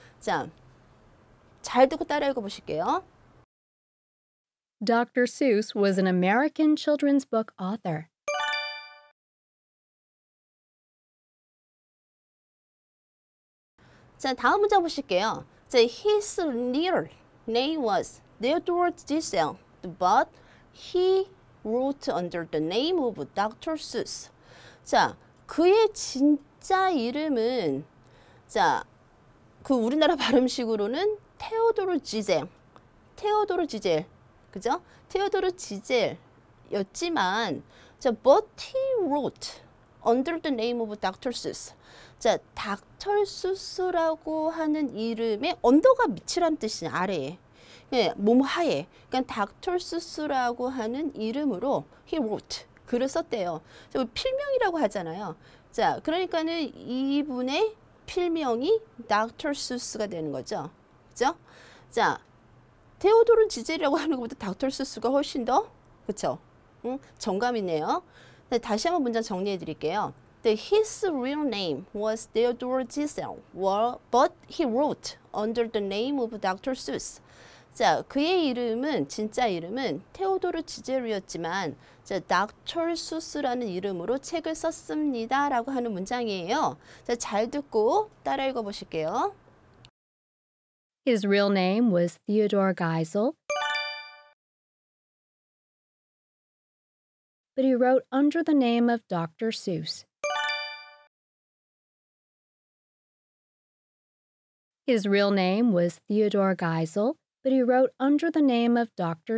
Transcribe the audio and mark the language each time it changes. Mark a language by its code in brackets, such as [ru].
[ko] 자, 잘 듣고 따라 읽어 보실게요. [en] Dr. Seuss was an American children's book author. [ko] So, 다음 문장 보실게요. [en] So, his real name was Theodore Dissel, but he wrote under the name of Dr. Seuss. [ko] 자, 그의 진짜 이름은, 자, 그 우리나라 발음식으로는 테오도르 지젤. [en] 테오도르 지젤. [ko] 그죠? [en] 테오도르 지젤이었지만, but he wrote under the name of Dr. Seuss. [ko] 자, 닥터 수스라고 하는 이름의 언더가 밑이란 뜻이야, 아래에. 네, 몸 하에. 그러니까 닥터 수스라고 하는 이름으로 [en] he wrote [ko] 글을 썼대요. 자, 필명이라고 하잖아요. 자, 그러니까는 이분의 필명이 닥터 수스가 되는 거죠. 그죠? 자, 테오도르 지젤이라고 하는 것보다 닥터 수스가 훨씬 더, 그쵸? 응? 정감 있네요. 네, 다시 한번 문장 정리해 드릴게요. [en] His real name was Theodore Dissel, but he wrote under the name of Dr. Seuss. [ko] 자, 그의 이름은, 진짜 이름은 테오도르 지젤이었지만, 자, Dr. Seuss라는 이름으로 책을 썼습니다. 라고 하는 문장이에요. 자, 잘 듣고 따라 읽어 보실게요. [en] His real name was Theodore Geisel, but he wrote under the name of Dr. Seuss. His real name was Theodore Geisel, but he wrote under the name of Dr.